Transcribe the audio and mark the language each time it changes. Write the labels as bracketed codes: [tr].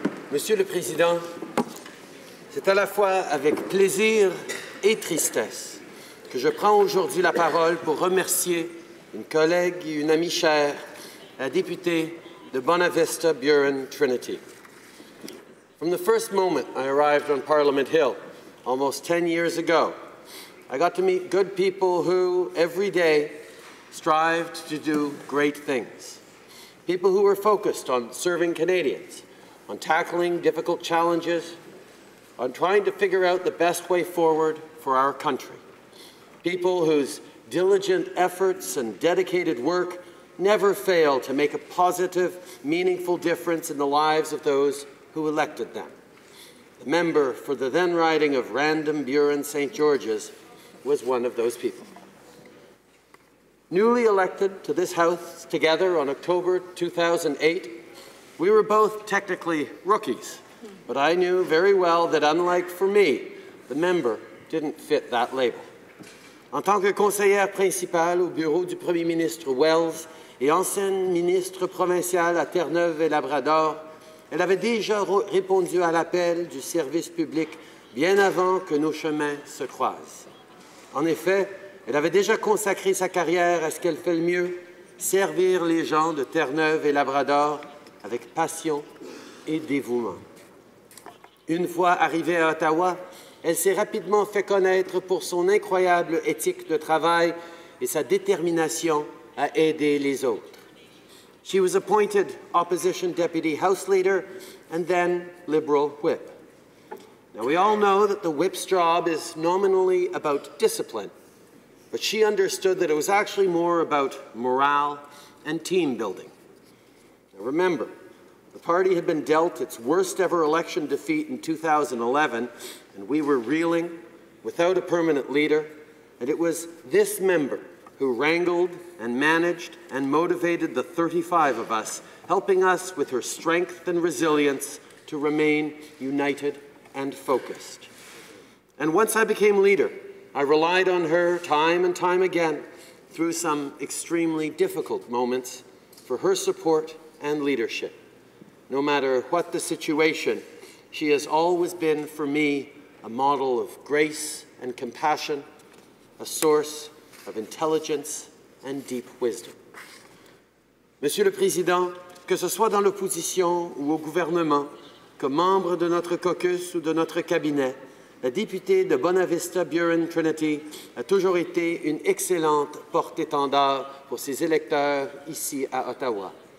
[fr] Monsieur le Président, c'est à la fois avec plaisir et tristesse que je prends aujourd'hui la parole pour remercier une collègue et une amie chère, la députée de Bonavista, Burin, Trinity. [en] From the first moment I arrived on Parliament Hill, almost 10 years ago, I got to meet good people who, every day, strived to do great things. People who were focused on serving Canadians, on tackling difficult challenges, on trying to figure out the best way forward for our country. People whose diligent efforts and dedicated work never fail to make a positive, meaningful difference in the lives of those who elected them. The member for the then riding of Random Burin St. George's was one of those people. Newly elected to this House together on October 2008, we were both technically rookies, but I knew very well that, unlike for me, the member didn't fit that label. [fr] En tant que conseillère principale au bureau du Premier ministre Wells et ancienne ministre provinciale à Terre-Neuve et Labrador, elle avait déjà répondu à l'appel du service public bien avant que nos chemins se croisent. En effet, elle avait déjà consacré sa carrière à ce qu'elle fait le mieux, servir les gens de Terre-Neuve et Labrador avec passion et dévouement. Une fois arrivée à Ottawa, elle s'est rapidement fait connaître pour son incroyable éthique de travail et sa détermination à aider les autres. [en] She was appointed opposition deputy house leader and then liberal whip. Now we all know that the whip's job is nominally about discipline. But she understood that it was actually more about morale and team building. Now remember, the party had been dealt its worst ever election defeat in 2011, and we were reeling without a permanent leader, and it was this member who wrangled and managed and motivated the 35 of us, helping us with her strength and resilience to remain united and focused. And once I became leader, I relied on her time and time again through some extremely difficult moments for her support and leadership. No matter what the situation, she has always been for me a model of grace and compassion, a source of intelligence and deep wisdom. [fr] Monsieur le Président, que ce soit dans l'opposition ou au gouvernement, comme membre de notre caucus ou de notre cabinet, la députée de Bonavista Burin Trinity a toujours été une excellente porte-étendard pour ses électeurs ici à Ottawa.